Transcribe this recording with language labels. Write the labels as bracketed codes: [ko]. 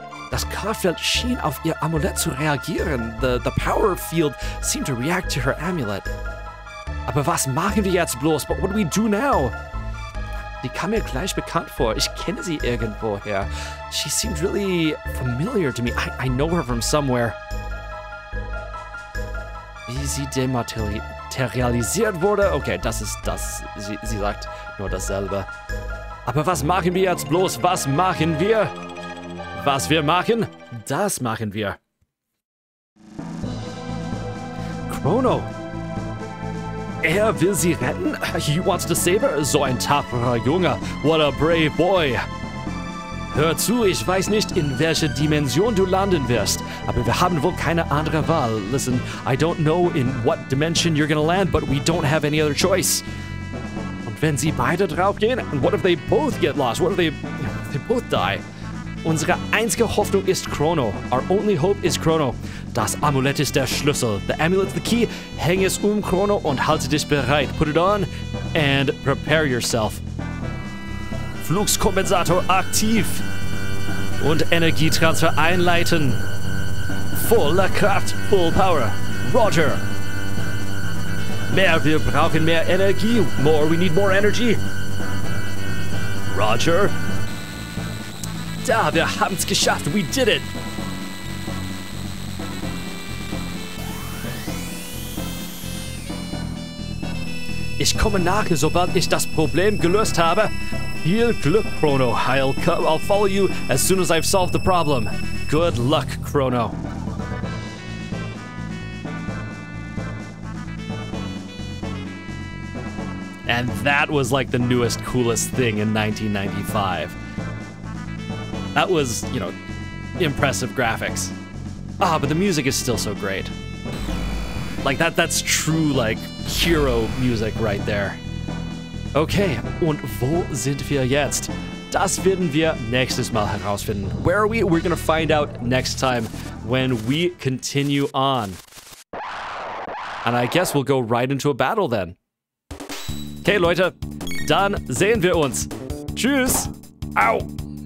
[de] Das Kraftfeld schien auf ihr Amulett zu reagieren. [en] The power field seemed to react to her amulet. [de] Aber was machen wir jetzt bloß? [en] But what do we do now? [de] Die kam mir gleich bekannt vor. Ich kenne sie irgendwoher. [en] She seemed really familiar to me. I know her from somewhere. [de] Wie sie dematerialisiert wurde? Okay, das ist das. Sie sagt nur dasselbe. Aber was machen wir jetzt bloß? Was machen wir? Was wir machen, das machen wir. Crono. Er will sie retten? [en] He wants to save her? [de] So ein tapferer Junge. [en] What a brave boy. [de] Hör zu, ich weiß nicht, in welche Dimension du landen wirst. Aber wir haben wohl keine andere Wahl. [en] Listen, I don't know in what dimension you're gonna land, but we don't have any other choice. [de] Und wenn sie beide draufgehen? [en] And what if they both get lost? What if they both die? [de] Unsere einzige Hoffnung ist Crono. [en] Our only hope is Crono. [de] Das Amulett ist der Schlüssel. [en] The amulet's the key. [de] Häng es Crono und halte dich bereit. [en] Put it on and prepare yourself. [de] Fluxkompensator aktiv. Und Energietransfer einleiten. Volle Kraft, [en] full power. [de] Roger. Mehr, wir brauchen mehr Energie. [en] More, we need more energy. [de] Roger. Da, wir haben's geschafft. [en] We did it. [de] Ich komme nach, sobald ich das Problem gelöst habe. Viel Glück, Crono. [en] I'll follow you as soon as I've solved the problem. Good luck, Crono. And that was like the newest, coolest thing in 1995. That was, you know, impressive graphics. Ah, but the music is still so great. Like, that's true, like, hero music right there. [de] Okay, und wo sind wir jetzt? Das werden wir nächstes Mal herausfinden. [en] Where are we? We're gonna find out next time when we continue on. And I guess we'll go right into a battle then. [de] Okay, Leute, dann sehen wir uns. Tschüss! Au!